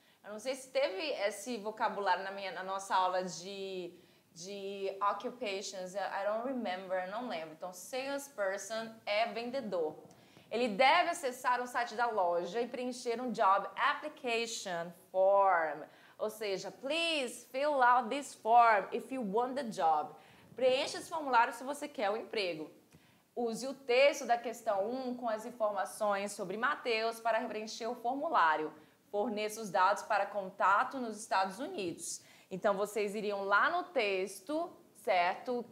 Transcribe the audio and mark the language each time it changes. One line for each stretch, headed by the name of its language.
Portuguese: Eu não sei se teve esse vocabulário na nossa aula de occupations.
English: I don't remember,
Portuguese: não lembro. Então, salesperson é vendedor. Ele deve acessar o site da loja e preencher um
English: job application form.
Portuguese: Ou seja,
English: please fill out this form if you want the job.
Portuguese: Preencha esse formulário se você quer o emprego. Use o texto da questão 1 com as informações sobre Matheus para preencher o formulário. Forneça os dados para contato nos Estados Unidos. Então, vocês iriam lá no texto, certo?